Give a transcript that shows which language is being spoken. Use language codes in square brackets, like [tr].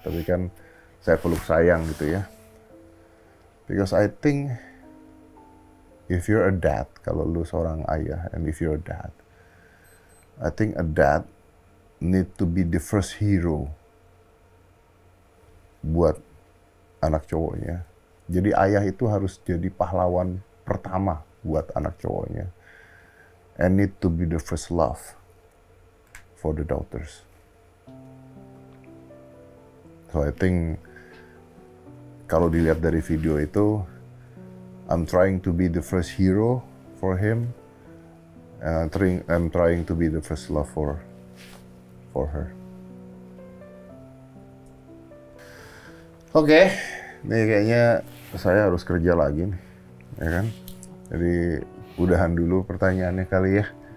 [id] Tapi kan, saya peluk sayang gitu ya. [en] Because I think, if you're a dad, [id] kalau lu seorang ayah, [en] and if you're a dad, I think a dad, need to be the first hero [id] buat anak cowoknya. Jadi ayah itu harus jadi pahlawan pertama buat anak cowoknya. [en] And need to be the first love for the daughters. So I think [id] kalau dilihat dari video itu, [en] I'm trying to be the first hero for him. I'm trying to be the first love for her. Oke, okay. [id] Ini kayaknya saya harus kerja lagi nih, ya kan? Jadi udahan dulu pertanyaannya kali ya.